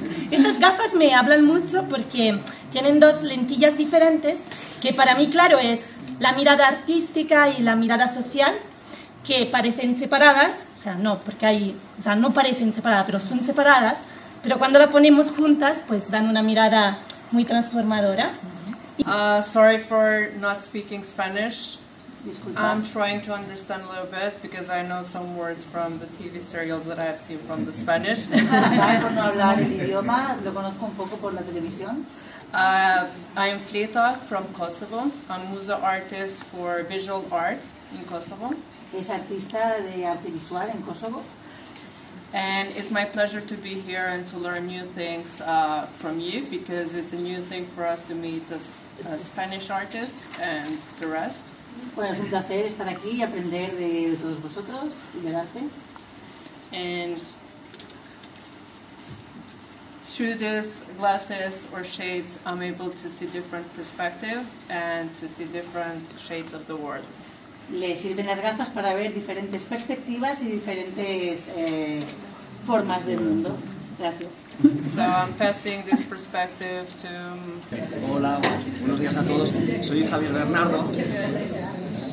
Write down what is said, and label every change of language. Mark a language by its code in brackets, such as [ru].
[es] Estas gafas me hablan mucho porque tienen dos lentillas diferentes, que para mí, claro, es la mirada artística y la mirada social, que parecen separadas, o sea, no, porque hay, o sea, no parecen separadas, pero son separadas, pero cuando la ponemos juntas, pues dan una mirada muy transformadora. [en] Sorry for not speaking Spanish. I'm trying to understand a little bit because I know some words from the TV serials that I have seen from the Spanish. I'm Flita from Kosovo. I'm Musa artist for visual art in Kosovo. [es] Es artista de arte visual en Kosovo. [en] And it's my pleasure to be here and to learn new things from you because it's a new thing for us to meet the Spanish artist and the rest. [es] Bueno, es un placer estar aquí y aprender de todos vosotros y del arte. [en] And through these glasses or shades, I'm able to see different perspectives and to see different shades of the world. [es] Le sirven las gafas para ver diferentes perspectivas y diferentes formas del mundo. Gracias. [en] So I'm passing this perspective to... [es] Hola, buenos días a todos. Soy Javier Bernardo.